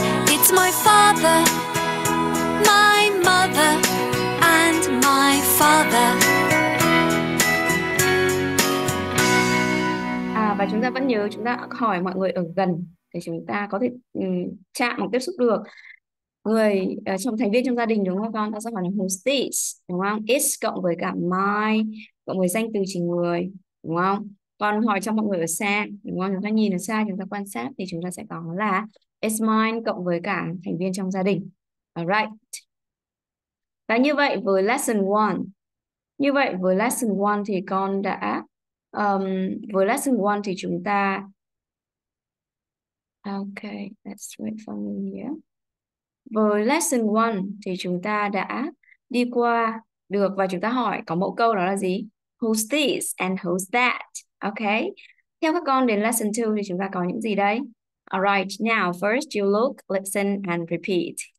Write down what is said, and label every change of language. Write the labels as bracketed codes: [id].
[en] it's my father, my mother, and my father. [vi] Và chúng ta vẫn nhớ chúng ta hỏi mọi người ở gần để chúng ta có thể chạm hoặc tiếp xúc được người trong thành viên trong gia đình, đúng không con? Ta sẽ hỏi là who's this, đúng không? It's cộng với cả my cộng với danh từ chỉ người, đúng không? Còn hỏi cho mọi người ở xa, đúng không? Chúng ta nhìn ở xa, chúng ta quan sát thì chúng ta sẽ có là it's mine cộng với cả thành viên trong gia đình. Alright. Và như vậy với lesson 1. Như vậy với lesson 1 thì con đã với lesson 1 thì chúng ta [en] okay, let's wait for me here. [vi] Với lesson 1 thì chúng ta đã đi qua được và chúng ta hỏi có mẫu câu đó là gì? [en] Who's this and who's that? [vi] Okay, theo các con đến lesson 2 thì chúng ta có những gì đây? [en] All right, now first you look, listen and repeat.